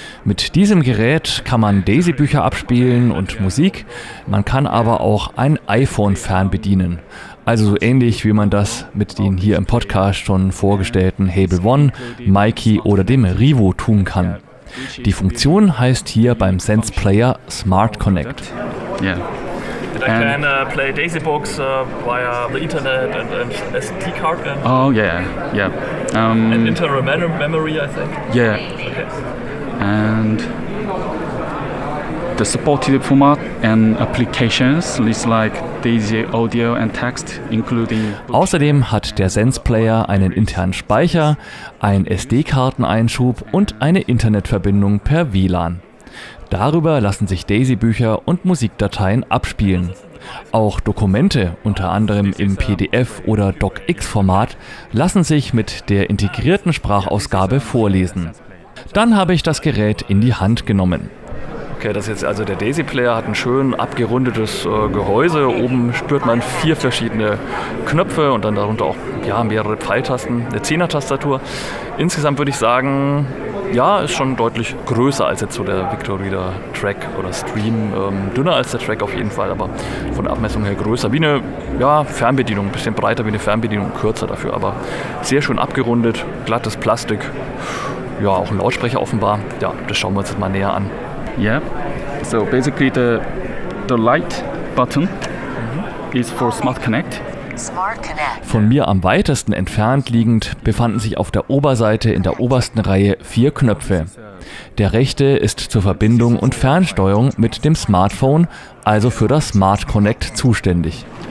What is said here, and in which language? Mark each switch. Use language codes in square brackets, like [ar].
[de] Mit diesem Gerät kann man Daisy-Bücher abspielen und Musik, man kann aber auch ein iPhone fernbedienen. Also so ähnlich, wie man das mit den hier im Podcast schon vorgestellten Hable One, Mikey oder dem Rivo tun kann. Die Funktion heißt hier beim Sense Player Smart Connect. Yeah. [en] And I can play Daisy Books via the internet and SD card. Oh, yeah, yeah. And internal memory, I think. Yeah. Okay. And the supported format and applications is like Daisy Audio and Text, including. [de] Außerdem hat der Sense Player einen internen Speicher, einen SD-Karteneinschub und eine Internetverbindung per WLAN. Darüber lassen sich Daisy-Bücher und Musikdateien abspielen. Auch Dokumente, unter anderem im PDF- oder DocX-Format, lassen sich mit der integrierten Sprachausgabe vorlesen. Dann habe ich das Gerät in die Hand genommen. Okay, das ist jetzt also der Daisy Player, hat ein schön abgerundetes Gehäuse. Oben spürt man 4 verschiedene Knöpfe und dann darunter auch mehrere Pfeiltasten, eine 10er-Tastatur. Insgesamt würde ich sagen, ja, ist schon deutlich größer als jetzt so der Victor Reader Track oder Stream. Dünner als der Track auf jeden Fall, aber von der Abmessung her größer. Wie eine Fernbedienung, ein bisschen breiter wie eine Fernbedienung, kürzer dafür, aber sehr schön abgerundet, glattes Plastik. Ja, auch ein Lautsprecher offenbar. Ja, das schauen wir uns jetzt mal näher an. Ja, yeah. [en] So basically the light button is for Smart Connect. [de] Von mir am weitesten entfernt liegend befanden sich auf der Oberseite in der obersten Reihe 4 Knöpfe. Der rechte ist zur Verbindung und Fernsteuerung mit dem Smartphone, also für das Smart Connect zuständig.